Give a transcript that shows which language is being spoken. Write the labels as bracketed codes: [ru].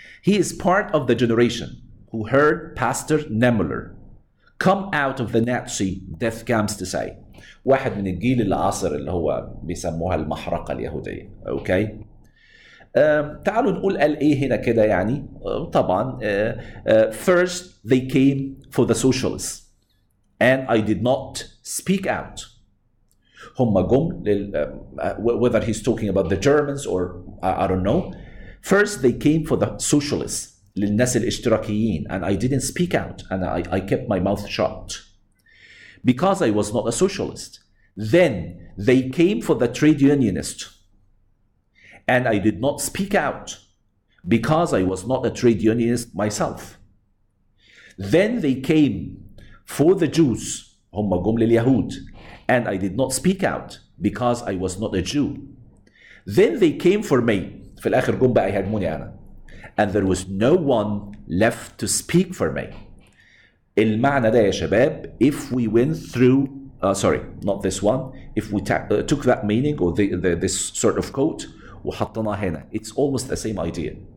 [en] He is part of the generation who heard Pastor Nemuller come out of the Nazi death camps to say. [ar] واحد من الجيل العصر اللي هو بيسموها المحرقة اليهودية. Okay. تعالوا نقول قال ايه هنا كده يعني. طبعا. [en] First they came for the socialists. And I did not speak out. [ar] هم جم [en] whether he's talking about the Germans or I don't know. First, they came for the socialists, [ar] للناس الاشتراكيين, [en] and I didn't speak out, and I kept my mouth shut, because I was not a socialist. Then, they came for the trade unionists, and I did not speak out, because I was not a trade unionist myself. Then, they came for the Jews, [ar] هم جم لليهود, [en] and I did not speak out, because I was not a Jew. Then, they came for me, [ar] في الآخر جم بقى يهاجموني أنا. [en] And there was no one left to speak for me. [ar] المعنى ده يا شباب [en] if we went through sorry not this one if we took that meaning or this sort of quote [ar] وحطناه هنا [en] it's almost the same idea.